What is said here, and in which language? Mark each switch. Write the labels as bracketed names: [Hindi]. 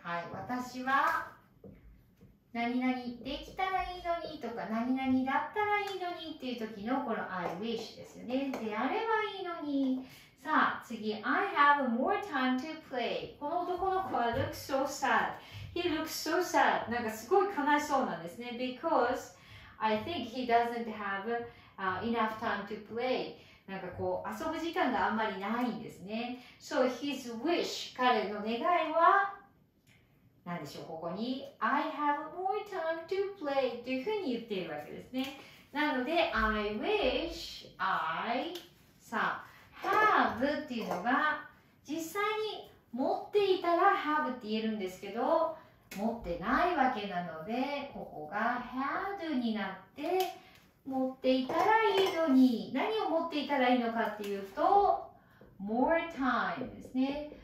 [Japanese] はい、私は何々できたらいいのにとか、何々だったらいいのにっていう時のこの [English] I wish [Japanese] ですよね。で、やればいいのに。さあ次、 [English] I have more time to play. [Japanese] この男の子は [English] looks so sad. He looks so sad. [Japanese] なんかすごい悲しそうなんですね。 [English] Because I think he doesn't have enough time to play. [Japanese] なんかこう遊ぶ時間があんまりないんですね。 [English] So his wish, [Japanese] 彼の願いは何でしょう、ここに [English] I have more time to play [Japanese] というふうに言っているわけですね。なので [English] I wish I [Japanese] さあHave っていうのが実際に持っていたら Have って言えるんですけど、持ってないわけなのでここが Had になって、持っていたらいいのに、何を持っていたらいいのかっていうと More time ですね。